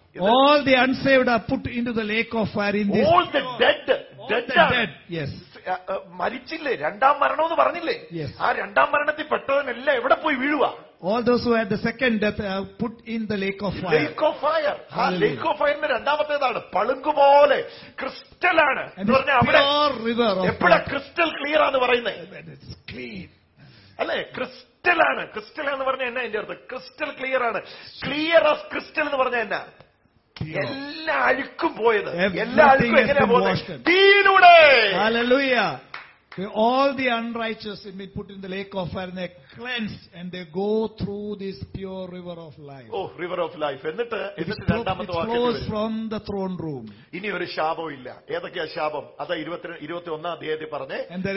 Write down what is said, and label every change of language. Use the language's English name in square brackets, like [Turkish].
[English] All the unsaved are put into the lake of fire in this. All the dead. Yes. [Malayalam] മരിച്ചില്ലേ, രണ്ടാം മരണം എന്ന് പറഞ്ഞില്ലേ? ആ രണ്ടാം മരണത്തിൽ പെട്ടവനെല്ലാം എവിടെ പോയി വീഴുക? [English] All those who had the second death are put in the lake of fire. Lake of fire. [Malayalam] രണ്ടാമത്തേതാണ് പളുങ്കു പോലെ ക്രിസ്റ്റൽ ആണ്. എപ്പോഴാണ് [English] crystal clear [Malayalam] ആണ് പറയുന്നത്? [English] It's clean. [Malayalam] അല്ലെ, ക്രിസ്റ്റലാണ്. ക്രിസ്റ്റൽ എന്ന് പറഞ്ഞാൽ എന്നാ എന്റെ അർത്ഥം? [English] crystal clear [Malayalam] ആണ്. [English] clear of crystal [Malayalam] എന്ന് പറഞ്ഞാൽ എന്നാ? എല്ലാ അഴുക്കും പോയത്, എല്ലാ അഴുക്കും എങ്ങനെയാ പോകുന്നത്? തീയിലൂടെ. Hallelujah. [English] All the unrighteous have been put in the lake of fire and they're cleansed and they go through this pure river of life. Oh, river of life. It flows from the throne room. And there